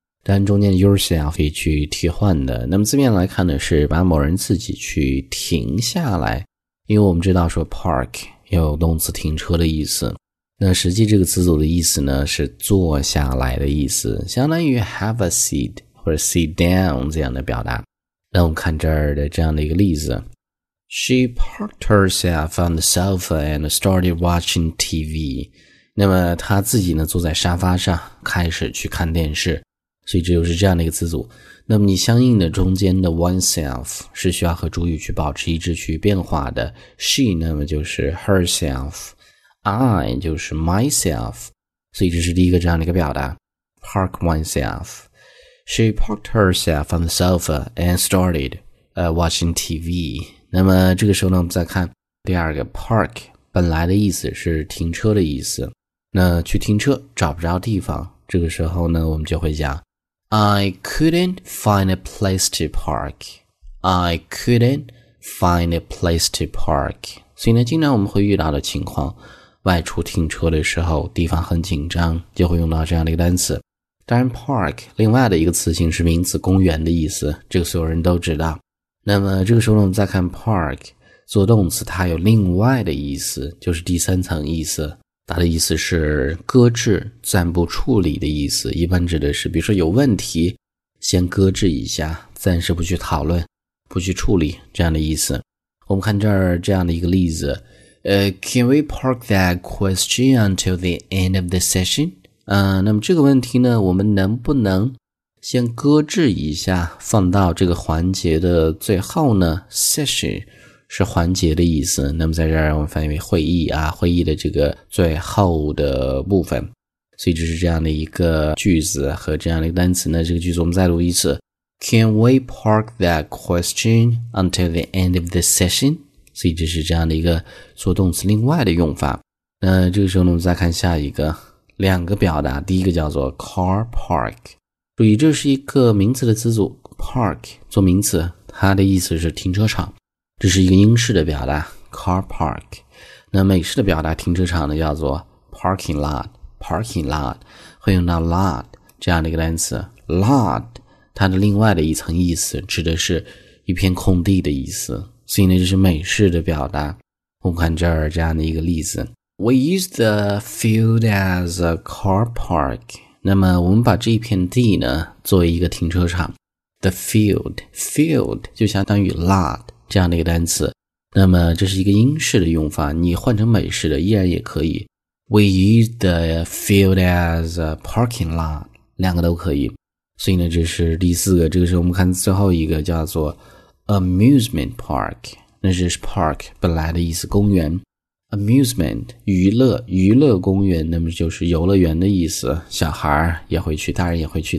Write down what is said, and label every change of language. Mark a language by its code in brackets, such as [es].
[zh] 但中间 yourself 可以去替换的。那么字面来看呢，是把某人自己去停下来。因为我们知道说 park 有动词停车的意思。那实际这个词组的意思呢，是坐下来的意思，相当于 have a seat。或者 sit down 这样的表达。那我们看这儿的这样的一个例子。 [en] She parked herself on the sofa and started watching TV. [zh] 那么她自己呢坐在沙发上开始去看电视。所以这就是这样的一个词组。那么你相应的中间的 oneself 是需要和主语去保持一致去变化的。 She 那么就是 herself。 I 就是 myself。所以这是第一个这样的一个表达。 [en] Park oneself. She parked herself on the sofa and started, watching TV. [zh] 那么这个时候呢，我们再看第二个 park, 本来的意思是停车的意思。那去停车找不着地方，这个时候呢，我们就会讲 [en] I couldn't find a place to park. [zh] 所以呢，经常我们会遇到的情况，外出停车的时候，地方很紧张，就会用到这样的一个单词。当然 park 另外的一个词性是名词公园的意思，这个所有人都知道。那么这个时候呢，我们再看 park 做动词，它有另外的意思，就是第三层意思，它的意思是搁置、暂不处理的意思，一般指的是比如说有问题先搁置一下，暂时不去讨论、不去处理这样的意思。我们看这儿这样的一个例子， [en] Can we park that question until the end of the session? [zh] 那么这个问题呢，我们能不能先搁置一下，放到这个环节的最后呢？ session 是环节的意思，那么在这儿我们翻译为会议啊，会议的这个最后的部分。所以这是这样的一个句子和这样的一个单词呢，这个句子我们再读一次。 [en] Can we park that question until the end of the session? [zh] 所以这是这样的一个做动词另外的用法。那这个时候呢，我们再看下一个。两个表达，第一个叫做 car park， 注意这是一个名词的词组 park， 做名词它的意思是停车场，这是一个英式的表达 car park。那美式的表达停车场呢，叫做 parking lot， parking lot 会用到 lot 这样的一个单词。 lot 它的另外的一层意思指的是一片空地的意思，所以呢这是美式的表达。我们看这儿这样的一个例子， [en] We use the field as a car park. [zh] 那么我们把这一片地呢作为一个停车场。 The field 就相当于 lot 这样的一个单词。那么这是一个英式的用法，你换成美式的依然也可以。 [en] We use the field as a parking lot. [zh] 两个都可以。所以呢这是第四个，这个是我们看最后一个，叫做 amusement park. 那这是 park 本来的意思，公园。Amusement 娱乐公园，那么就是游乐园的意思，小孩也会去，大人也会去。